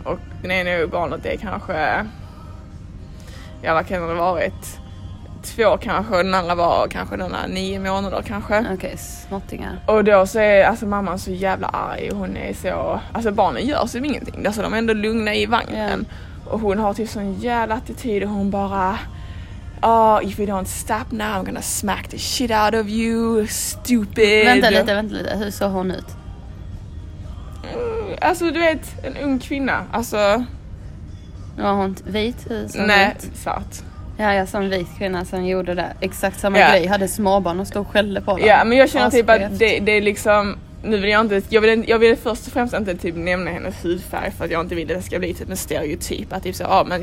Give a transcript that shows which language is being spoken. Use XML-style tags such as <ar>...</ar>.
<sv>Och den ena barnet är kanske, ja, vad kan det ha varit, två kanske, den andra var kanske den där 9 månader kanske. Okej, småttingar. Och då så är alltså mamman så jävla arg. Hon är så, alltså barnen gör sig ingenting. Alltså de är ändå lugna i vagnen. Yeah. Och hon har typ sån jävla attityd och hon bara...</sv> <en>Oh, if you don't stop now I'm gonna smack the shit out of you, stupid.</en> <sv>Vänta lite, hur såg hon ut? Alltså du vet, en ung kvinna, alltså... Var hon vit? Nej, svart. Ja, jag som vit kvinna som gjorde det exakt samma grej, hade småbarn och stod och skällde på dem. Ja, men jag känner typ att det är liksom... Nu vill jag inte, jag vill först och främst inte typ nämna hennes hudfärg för att jag inte vill att det ska bli typ en stereotyp att typ så, men</sv>